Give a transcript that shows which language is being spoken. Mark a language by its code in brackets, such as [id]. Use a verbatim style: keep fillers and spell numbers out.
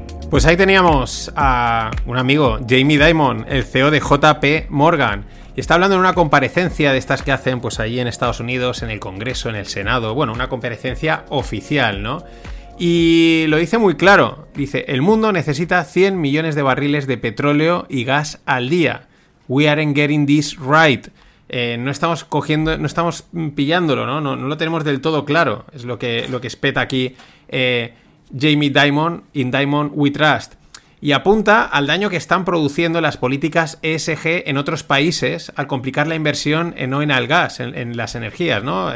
[es] Pues ahí teníamos a un amigo, Jamie Dimon, el C E O de J P Morgan. Y está hablando en una comparecencia de estas que hacen pues allí en Estados Unidos, en el Congreso, en el Senado. Bueno, una comparecencia oficial, ¿no? Y lo dice muy claro. Dice, el mundo necesita cien millones de barriles de petróleo y gas al día. [en] We aren't getting this right. [es] Eh, no estamos cogiendo, no estamos pillándolo, ¿no? No, no lo tenemos del todo claro. Es lo que, lo que espeta aquí eh, Jamie Dimon, [en] in Dimon We Trust. [es] Y apunta al daño que están produciendo las políticas E S G en otros países al complicar la inversión en no en el gas, en, en las energías, ¿no?